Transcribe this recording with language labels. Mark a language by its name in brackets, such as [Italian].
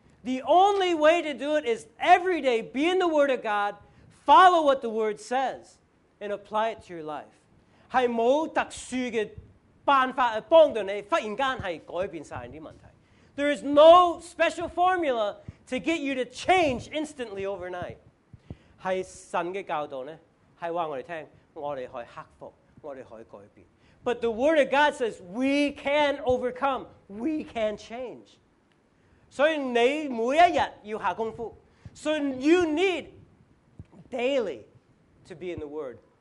[English] The only way to do it is every day be in the Word of God, follow what the Word says, and apply it to your life. [Cantonese] 系冇特殊嘅。辦法去幫到你，忽然間係改變曬啲問題。 [English] There is no special formula to get you to change instantly overnight. [Cantonese] 係神嘅教導咧，係話我哋聽，我哋可以克服，我哋可以改變。 [English] But the Word of God says we can overcome, we can change. [Cantonese] 所以你每一日要下功夫，所以 [English] you need daily to be in the Word.